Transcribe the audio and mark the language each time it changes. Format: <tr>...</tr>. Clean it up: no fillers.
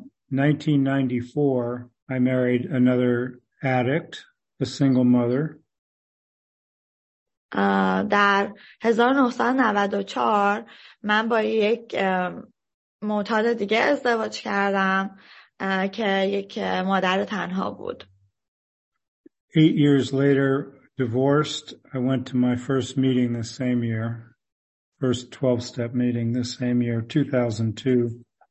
<en>In 1994, I married another addict, a single mother.</en> <fa>در 1994 من با یک معتاد دیگه ازدواج کردم که یک مادر تنها بود.</fa> <en>8 years later, divorced, I went to my first meeting the same year, first 12-step meeting the same year, 2002.</en>